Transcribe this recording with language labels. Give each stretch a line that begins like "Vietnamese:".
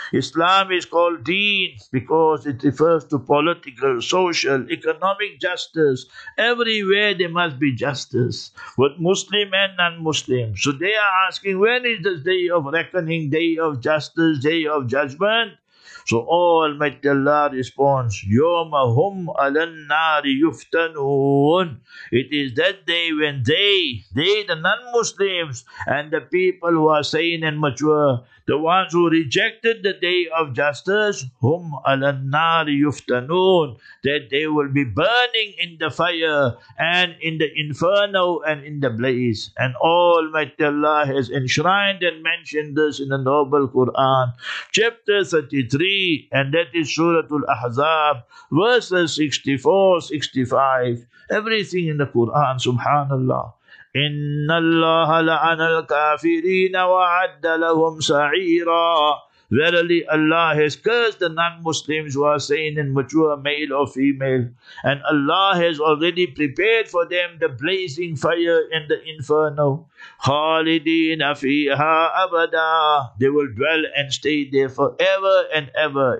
English: Islam is called deen because it refers to political, social, economic justice. Everywhere there must be justice, with Muslim and non-Muslim. So they are asking, when is this day of reckoning, day of justice, day of judgment? So Almighty Allah responds,
Arabic: يَوْمَ هُمْ عَلَى النَّارِ يُفْتَنُونَ.
English: It is that day when they, the non-Muslims, and the people who are sane and mature, the ones who rejected the day of justice,
Arabic: هُمْ عَلَى النَّارِ يُفْتَنُونَ,
English: that they will be burning in the fire and in the inferno and in the blaze. And Almighty Allah has enshrined and mentioned this in the noble Quran, chapter 33, and that is Suratul Ahzab, verses 64-65. Everything in the Quran, subhanallah.
Arabic: إن الله لعن الكافرين وعد لهم سعيرا.
English: Verily Allah has cursed the non-Muslims who are saying in mature male or female, and Allah has already prepared for them the blazing fire in the inferno.
Arabic: خَالِدِينَ فِيهَا أَبَدًا.
English: They will dwell and stay there forever and ever.